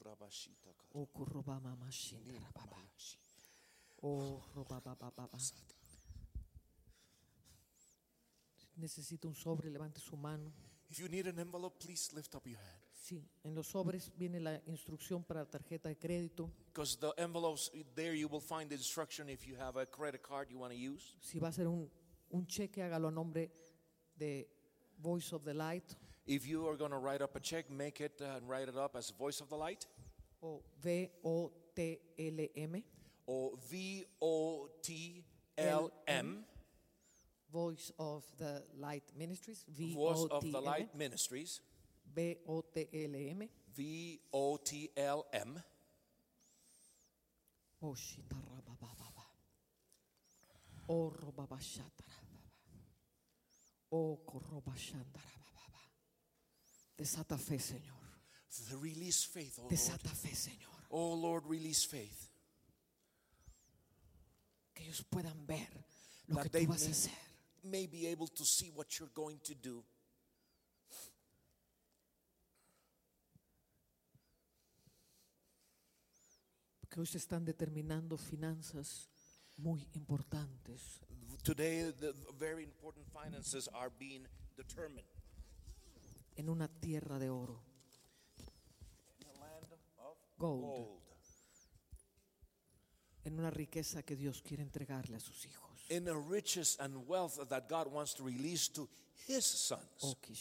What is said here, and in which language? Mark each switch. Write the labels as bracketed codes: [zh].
[es] Si necesita un sobre, levante su mano. [en] If you need an envelope, please lift up your hand. [es] Sí, en los sobres viene la instrucción para la tarjeta de crédito. [en] Because the envelopes, there you will find the instruction if you have a credit card you want to use. [es] Si va a ser un cheque, hágalo a nombre de Voice of the Light. [en] If you are going to write up a check, make it and write it up as Voice of the Light. [es] O V-O-T-L-M. O V-O-T-L-M. [en] Voice of the Light Ministries. V-O-T-L-M. Voice of the Light Ministries. [es] V-O-T-L-M. [en] V-O-T-L-M. O-Shitarababababa. O-Robabashatarababa. O-Korobashandarabababa. [es] Desata fe, Señor. [en] Release faith, O Lord. [es] Desata fe, Señor. [en] O Lord, release faith. [es] Que ellos puedan ver lo que tú vas a hacer. [en] May be able to see what you're going to do. [es] Porque hoy se están determinando finanzas muy importantes. [en] Today, the very important finances are being determined. [es] En una tierra de oro. [en] In a land of gold. [es] En una riqueza que Dios quiere entregarle a sus hijos. [en] In a riches and wealth that God wants to release to his sons.